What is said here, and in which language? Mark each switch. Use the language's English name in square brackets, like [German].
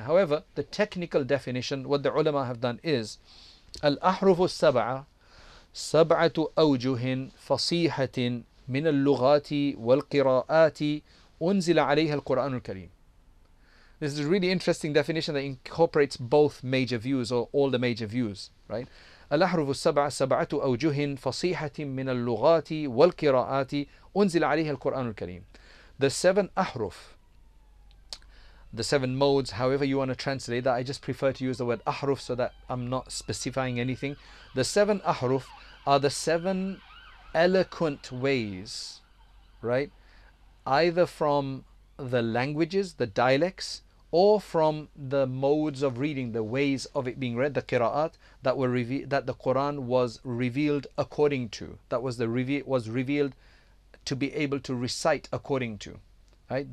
[English] However, the technical definition, what the ulama have done is, [Arabic] الْأَحْرُفُ السَّبْعَ سَبْعَةُ أَوْجُهٍ فَصِيحَةٍ مِنَ اللُّغَاتِ وَالْقِرَاءَاتِ أُنزِلَ عَلَيْهَا الْقُرْآنُ الْكَرِيمُ. [English] This is a really interesting definition that incorporates both major views, or all the major views, right? [Arabic] الأحرف السبعة سبعة أوجه فصيحة من اللغات والقراءات أنزل عليها القرآن الكريم. [English] The seven أحرف, the seven modes, however you want to translate that, I just prefer to use the word أحرف so that I'm not specifying anything. The seven أحرف are the seven eloquent ways, right? Either from the languages, the dialects, or from the modes of reading, the ways of it being read, the qira'at, that the Quran was revealed according to, was revealed to be able to recite according to, right?